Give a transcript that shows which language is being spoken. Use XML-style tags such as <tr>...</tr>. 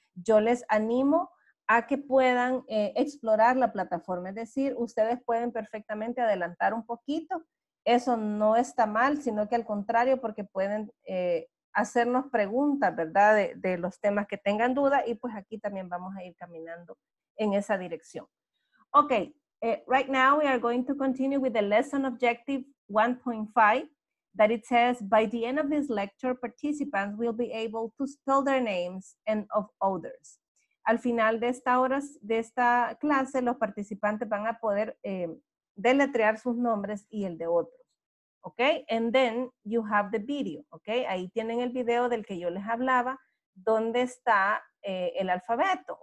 <es>Yo les animo a que puedan explorar la plataforma, es decir, ustedes pueden perfectamente adelantar un poquito. Eso no está mal, sino que al contrario, porque pueden hacernos preguntas, ¿verdad? De los temas que tengan duda y pues aquí también vamos a ir caminando en esa dirección.</es> <en>Ok, right now we are going to continue with the lesson objective 1.5 that it says, by the end of this lecture, participants will be able to spell their names and of others.</en> <es>Al final de esta hora, de esta clase, los participantes van a poder deletrear sus nombres y el de otros, ¿ok?</es> <en>And then you have the video, ¿ok?</en> <es>Ahí tienen el video del que yo les hablaba, donde está el alfabeto.</es>